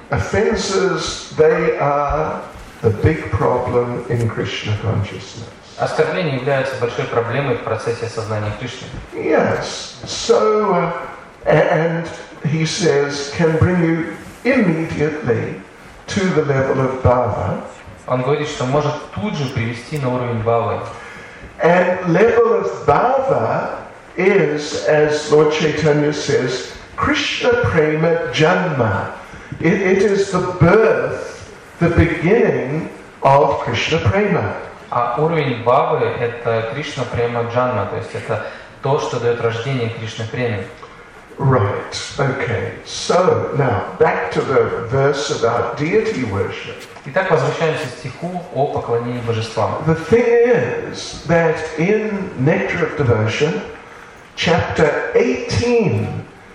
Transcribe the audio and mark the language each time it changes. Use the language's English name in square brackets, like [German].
[English] Offenses, they are the big problem in Krishna consciousness. [Russian] Оскорбления являются большой проблемой в процессе осознания Кришны. [English] Yes. So, and he says, can bring you immediately to the level of bhava. [Russian] Он говорит, что может тут же привести на уровень бхавы. [English] And level of bhava is, as Lord Chaitanya says, Krishna prema janma. It is the birth, the beginning of Krishna prema. [Russian] А уровень бхавы – это Кришна према джанма, то есть это то, что дает рождение Кришна преме. [English] Right. Okay. So now back to the verse about deity worship. [Russian] Итак, возвращаемся к стиху о поклонении божествам. [English] The thing is that in Nectar of Devotion, chapter 18.